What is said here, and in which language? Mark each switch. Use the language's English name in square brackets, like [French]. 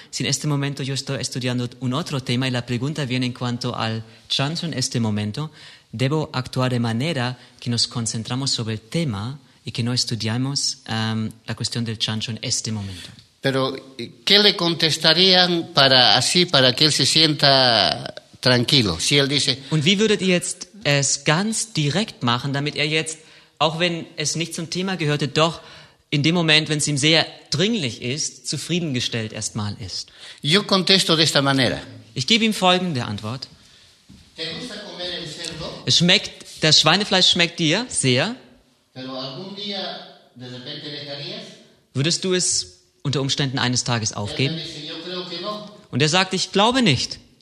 [Spanish] Si en este momento yo estoy estudiando un otro tema y la pregunta viene en cuanto al chancho en este momento, debo actuar de manera que nos concentramos sobre el tema y que no estudiamos la cuestión del chancho en este momento. Pero ¿qué le contestarían para así para que él se sienta tranquilo? Si él dice. [German] Und wie würdet ihr jetzt es ganz direkt machen, damit er jetzt, auch wenn es nicht zum Thema gehörte, doch in dem Moment, wenn es ihm sehr dringlich ist, zufriedengestellt erstmal ist. [Spanish] Yo contesto de esta manera. [German] Ich gebe ihm folgende Antwort. [Spanish] ¿Te gusta comer el cerdo? [German] Es schmeckt, das Schweinefleisch schmeckt dir sehr. [Spanish] Pero algún día, de repente, dejarías? [German] Würdest du es unter Umständen eines Tages aufgeben? Und er sagt, ich glaube nicht.